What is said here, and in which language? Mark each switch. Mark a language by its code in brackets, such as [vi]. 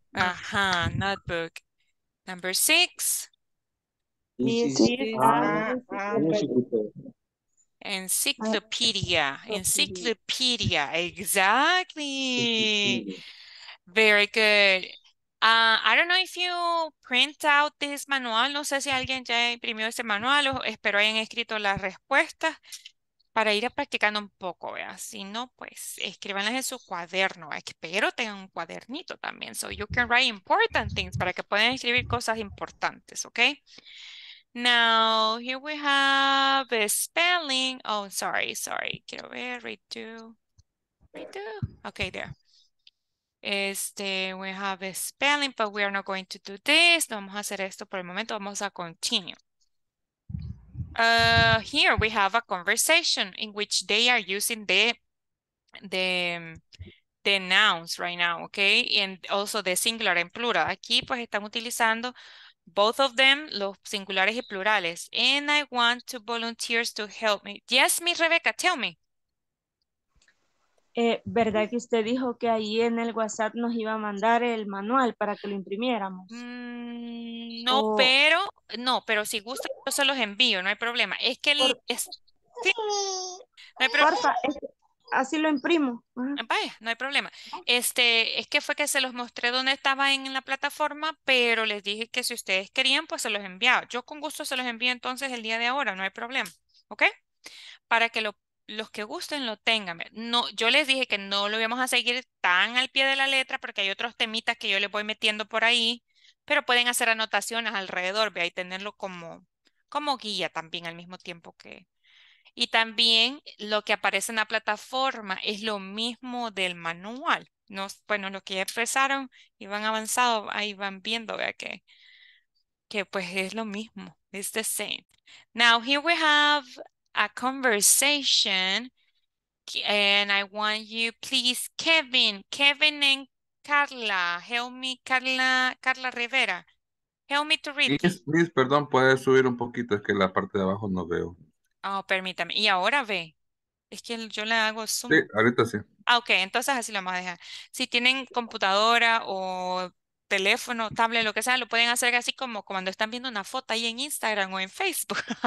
[en] Uh-huh, notebook. Number six. Encyclopedia. Exactly. Very good. I don't know if you print out this manual. [es] No sé si alguien ya imprimió ese manual o espero hayan escrito las respuestas para ir practicando un poco, ¿vea? Si no, pues escríbanlas en su cuaderno. Espero tengan un cuadernito también. [en] So you can write important things [es] para que puedan escribir cosas importantes, ¿ok? [en] Now, here we have a spelling. Oh, sorry, sorry. [es] Quiero ver, [en] redo. Okay, there. We have a spelling, but we are not going to do this. [es] No vamos a hacer esto por el momento. Vamos a continue. [en] Here we have a conversation in which they are using the nouns right now, okay? And also the singular and plural. [es] Aquí, pues, están utilizando [en] both of them, [es] los singulares y plurales. [en] And I want two volunteers to help me. Yes, Miss Rebecca, tell me. [es] ¿Verdad que usted dijo que ahí en el WhatsApp nos iba a mandar el manual para que lo imprimiéramos? Pero si gusta, yo se los envío, no hay problema. Es que sí. No hay problema. Porfa, así lo imprimo. Vaya, no hay problema. Es que fue que se los mostré donde estaba en la plataforma, pero les dije que si ustedes querían, pues se los enviaba. Yo con gusto se los envío entonces el día de ahora, no hay problema. ¿Ok? Para que los que gusten lo tengan. No, yo les dije que no lo íbamos a seguir tan al pie de la letra porque hay otros temitas que yo les voy metiendo por ahí, pero pueden hacer anotaciones alrededor, ¿ve? Y tenerlo como guía también al mismo tiempo que... Y también lo que aparece en la plataforma es lo mismo del manual. No, bueno, los que ya expresaron y van avanzados, ahí van viendo, ¿ve? Que pues es lo mismo. [en] It's the same. Now, here we have a conversation, and I want you, please, Kevin and Carla, help me, Carla Rivera, help me to read. [es] Please, perdón, puedes subir un poquito, es que la parte de abajo no veo. Oh, permítame, y ahora ve, es que yo le hago zoom. Sí, ahorita sí. Ah, ok, entonces así lo vamos a dejar. Si tienen computadora o teléfono, tablet, lo que sea, lo pueden hacer así como cuando están viendo una foto ahí en Instagram o en Facebook.